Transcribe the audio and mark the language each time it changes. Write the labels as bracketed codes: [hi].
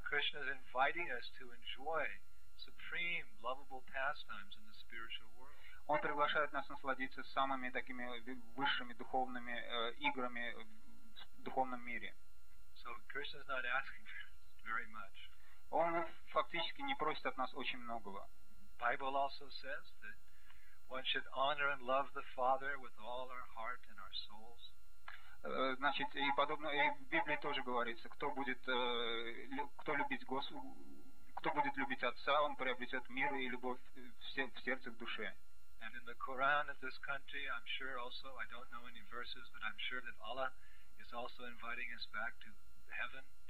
[en] Krishna is inviting us to enjoy supreme, lovable pastimes in the spiritual world. [ru] Он приглашает нас насладиться самыми такими высшими духовными играми в духовном мире. [en] So Krishna is not asking very much. [ru] Он фактически не просит от нас очень многого. [en] Bible also says that one should honor and love the Father with all our heart and our souls. [ru] Значит, и подобно, и в Библии тоже говорится, кто будет кто любить Господа, кто будет любить Отца, он приобретет мир и любовь в сердце, в душе. [en] And in the Quran of this country, I'm sure also, I don't know any verses, but I'm sure that Allah is also inviting us back to heaven.